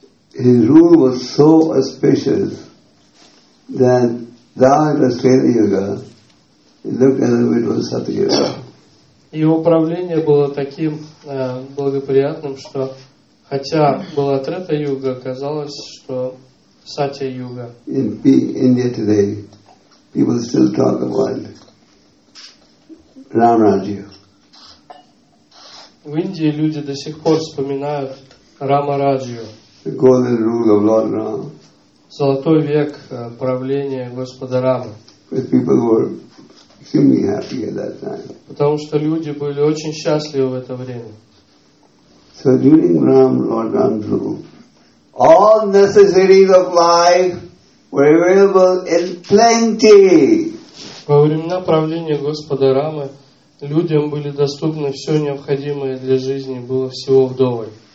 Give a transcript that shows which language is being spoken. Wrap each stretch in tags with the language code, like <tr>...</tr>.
<en>His rule was so auspicious that during Treta Yuga it looked as if it was Satyuga.</en> <ru>Его правление было таким благоприятным, что хотя была Трета Юга, казалось, что Сатья Юга.</ru> <en>In India today, people still talk about Ram Rajya.</en> <ru>В Индии люди до сих пор вспоминают Рама Раджию.</ru> <en>The golden rule of Lord Ram.</en> <ru>Золотой век правления Господа Рамы.</ru> <en>But people were extremely happy at that time.</en> <ru>Потому что люди были очень счастливы в это время.</ru> <en>So during Ram, Lord Ram's rule, all necessities of life were available in plenty.</en> <ru>Во времена правления Господа Рамы людям были доступны все необходимое для жизни, было всего вдоволь.</ru>